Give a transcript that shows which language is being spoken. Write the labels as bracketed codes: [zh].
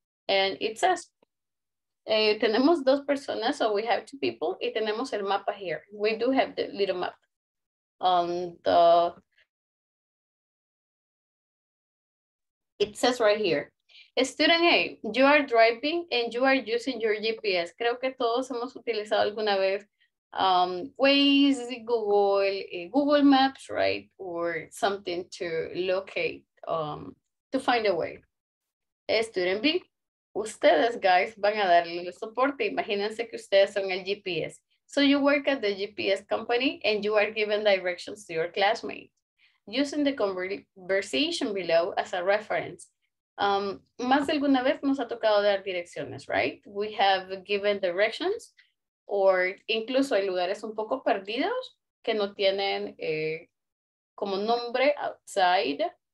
[en] And it says, [es] tenemos dos personas, [en] so we have 2 people, [es] y tenemos el mapa [en] here. We do have the little map. It says right here, student A, you are driving and you are using your GPS. [es] Creo que todos hemos utilizado alguna vez Waze, Google Maps, [en] right? Or something to locate, to find a way. Student B. [es] Ustedes, guys, van a darle el soporte. Imagínense que ustedes son el GPS. [en] So you work at the GPS company and you are giving directions to your classmates. Using the conversation below as a reference. [es] Más de alguna vez nos ha tocado dar direcciones, [en] right? We have given directions or [es] incluso hay lugares un poco perdidos que no tienen como nombre [en] outside.